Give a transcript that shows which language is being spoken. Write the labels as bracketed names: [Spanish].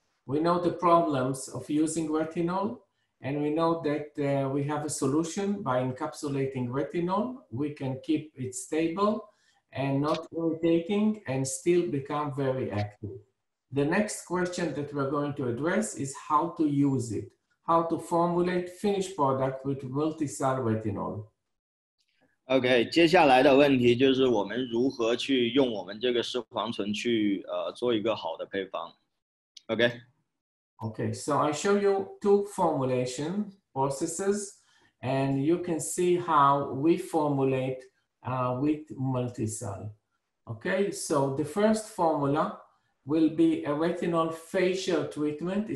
[English] We know the problems of using retinol, and we know that we have a solution by encapsulating retinol. We can keep it stable and not irritating and still become very active. The next question that we're going to address is how to use it, how to formulate finished product with multicell retinol. [Chinese] Okay, 接下来的问题就是我们如何去用我们这个视黄醇去做一个好的配方。 [English] Okay. Okay, so I show you two formulation processes, and you can see how we formulate with multicell. Okay, so the first formula will be a retinol facial treatment.